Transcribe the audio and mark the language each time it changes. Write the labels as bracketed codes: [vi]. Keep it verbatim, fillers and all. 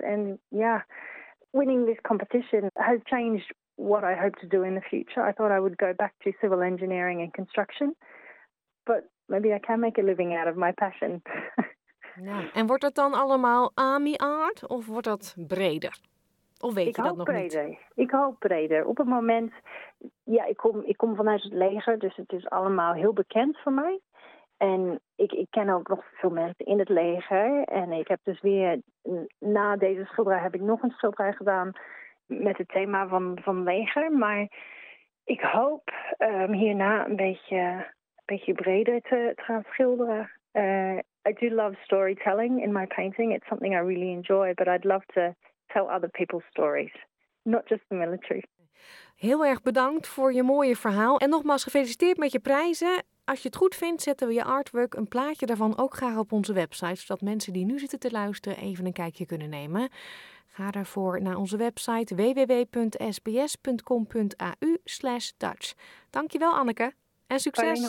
[nl] En ja, [en] winning this competition has changed what I hope to do in the future. I thought I would go back to civil engineering and construction. But maybe I can make a living out of my passion. [nl] Ja. En wordt dat dan allemaal AMI-art of wordt dat breder? Of weet ik je dat nog breder. niet? Ik hoop breder. Op het moment, ja, ik kom, ik kom vanuit het leger, dus het is allemaal heel bekend voor mij. En ik, ik ken ook nog veel mensen in het leger. En ik heb dus weer, na deze schilderij heb ik nog een schilderij gedaan met het thema van, van leger. Maar ik hoop um, hierna een beetje, een beetje breder te, te gaan schilderen. [en] Uh, I do love storytelling in my painting. It's something I really enjoy, but I'd love to tell other people's stories, not just the military. [nl] Heel erg bedankt voor je mooie verhaal. En nogmaals gefeliciteerd met je prijzen. Als je het goed vindt, zetten we je artwork, een plaatje daarvan, ook graag op onze website. Zodat mensen die nu zitten te luisteren even een kijkje kunnen nemen. Ga daarvoor naar onze website w w w punt s b s punt com punt a u slash Dutch. Dankjewel Anneke en succes.